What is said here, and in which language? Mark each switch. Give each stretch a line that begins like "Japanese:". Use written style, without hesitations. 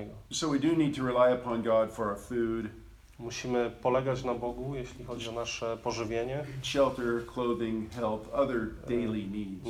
English: So we do need to rely upon God for our food.
Polish: Musimy polegać na Bogu, jeśli chodzi o nasze pożywienie.
English: Shelter, clothing, health, other daily needs.